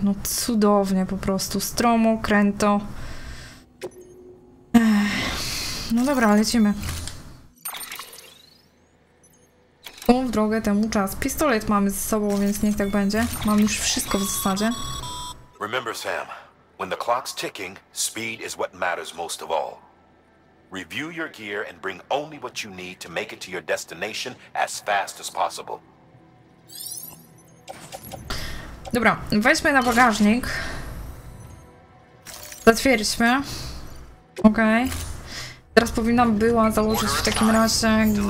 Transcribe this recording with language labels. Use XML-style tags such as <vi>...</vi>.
<pl>No cudownie po prostu. Stromo, kręto. No dobra, lecimy. W drogę temu czas. Pistolet mamy ze sobą, więc niech tak będzie. Mam już wszystko w zasadzie.</pl> <en>Remember, Sam, when the clock's ticking, speed is what matters most of all. Review your gear and bring only what you need to make it to your destination as fast as possible.</en> <pl>Dobra, weźmy na bagażnik. Zatwierdźmy. Okej. Okay. Teraz powinnam była założyć w takim razie.</pl>